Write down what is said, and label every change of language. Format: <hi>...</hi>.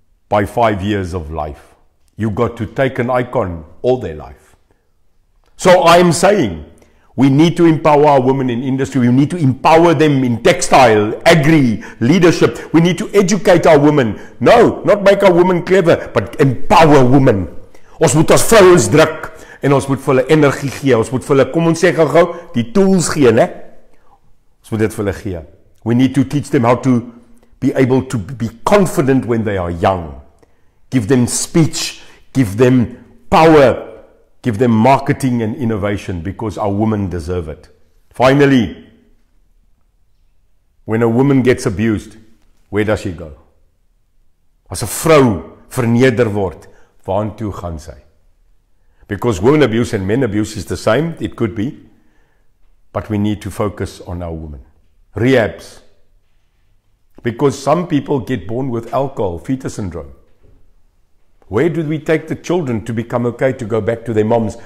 <en>by 5 years of life. You've got to take an icon all their life. So I'm saying we need to empower our women in industry. We need to empower them in textile, agri, leadership. We need to educate our women. No, not make our women clever, but empower women.</en> <af>Ons moet ons vrouens druk en ons moet vir hulle energie gee. Ons moet vir hulle, kom ons sê gou-gou, die tools gee, né? Ons moet dit vir hulle gee.</af> <en>We need to teach them how to be able to be confident when they are young. Give them speech, give them power, give them marketing and innovation because our women deserve it. Finally, when a woman gets abused, where does she go?</en> <af>As 'n vrou verneder word, waartoe gaan sy?</af> <en>Because women abuse and men abuse is the same, it could be, but we need to focus on our women. Rehabs. Because some people get born with alcohol, fetus syndrome. Where do we take the children to become okay to go back to their moms?</en>